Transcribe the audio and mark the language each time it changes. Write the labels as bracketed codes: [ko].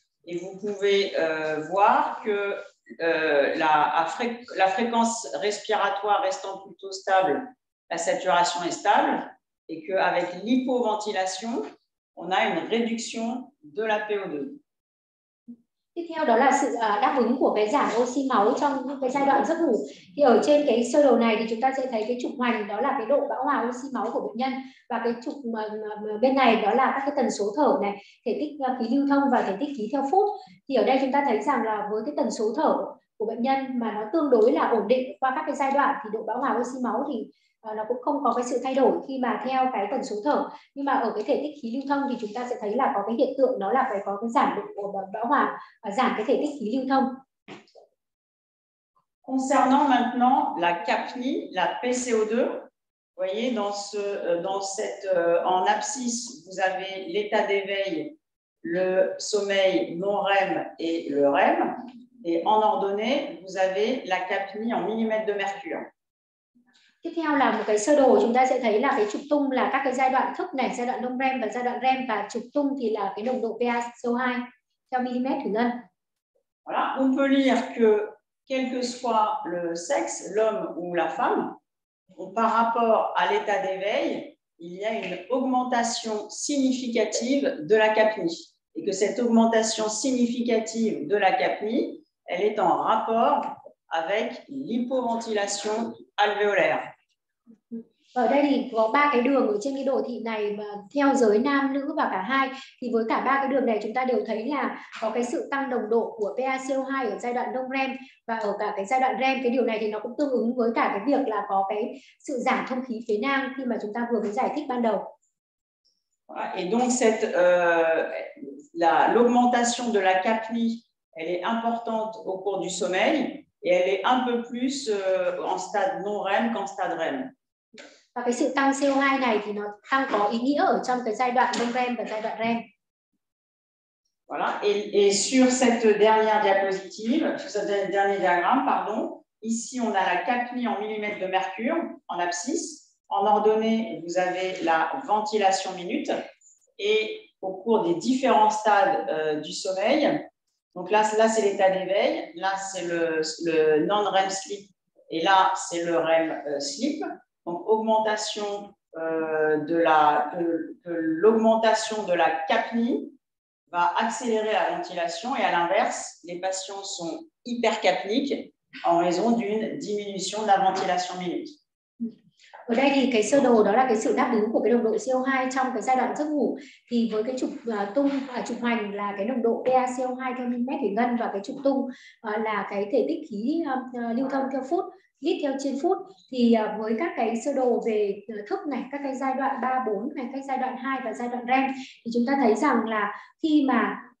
[fr] Et vous pouvez voir que la fréquence respiratoire restant plutôt stable, la saturation est stable, et qu'avec l'hypoventilation, on a une réduction de la PO2. [vi] Tiếp theo đó là sự đáp ứng của cái giảm oxy máu trong cái giai đoạn giấc ngủ. Thì ở trên cái sơ đồ này thì chúng ta sẽ thấy cái trục hoành, đó là cái độ bão hòa oxy máu của bệnh nhân, và cái trục bên này đó là các cái tần số thở này, thể tích khí lưu thông và thể tích khí theo phút. Thì ở đây chúng ta thấy rằng là với cái tần số thở của bệnh nhân mà nó tương đối là ổn định qua các cái giai đoạn thì độ bão hòa oxy máu thì nó cũng không có cái sự thay đổi khi mà theo cái tần số thở, nhưng mà ở cái thể tích khí lưu thông thì chúng ta sẽ thấy là có cái hiện tượng đó là phải có cái giảm độ bão hòa và giảm cái thể tích khí lưu thông. [fr] Concernant maintenant la capnie, la PCO2, voyez en abscisse vous avez l'état d'éveil, le sommeil non REM et le REM, et en ordonnée vous avez la capnie en millimètres de mercure. [vi] Tiếp theo là một cái sơ đồ, chúng ta sẽ thấy là cái trục tung là các cái giai đoạn thức này, giai đoạn non-REM và giai đoạn REM, và trục tung thì là cái nồng độ PaCO2 theo millimètre thủy ngân. [fr] Voilà, on peut lire que quel que soit le sexe, l'homme ou la femme, par rapport à l'état d'éveil, il y a une augmentation significative de la capnie, et que cette augmentation significative de la capnie, elle est en rapport avec l'hypoventilation alvéolaire. [vi] Ở đây thì có ba cái đường ở trên cái đồ thị này mà theo giới nam nữ và cả hai, thì với cả ba cái đường này chúng ta đều thấy là có cái sự tăng đồng độ của PaCO2 ở giai đoạn nông REM và ở cả cái giai đoạn REM. Cái điều này thì nó cũng tương ứng với cả cái việc là có cái sự giảm thông khí phế nang khi mà chúng ta vừa mới giải thích ban đầu. [fr] Et donc cette l'augmentation de la capni, elle est importante au cours du sommeil et elle est un peu plus en stade non REM qu'en stade REM. [vi] Và cái sự tăng CO2 này thì nó tăng có ý nghĩa ở trong cái giai đoạn non REM và giai đoạn REM. [fr] Voilà. Et sur cette dernière diapositive, sur ce dernier diagramme, pardon, ici on a la capni en millimètres de mercure en abscisse. En ordonnée, vous avez la ventilation minute. Et au cours des différents stades du sommeil, donc là c'est l'état d'éveil, là c'est le non REM sleep et là c'est le REM sleep. Donc augmentation de l'augmentation de la capni va accélérer la ventilation et à l'inverse, les patients sont hypercapniques en raison d'une diminution de la ventilation minute. [vi] Ở đây thì cái sơ đồ đó là cái sự đáp ứng của cái nồng độ CO2 trong cái giai đoạn giấc ngủ, thì với cái trục tung trục hoành là cái nồng độ PaCO2 theo mm thủy ngân và cái trục tung là cái thể tích khí lưu thông theo phút lít theo trên phút, thì với các cái sơ đồ về thức này, các cái giai đoạn 3, 4 này, các giai đoạn 2 và giai đoạn REM, thì chúng ta thấy rằng là khi mà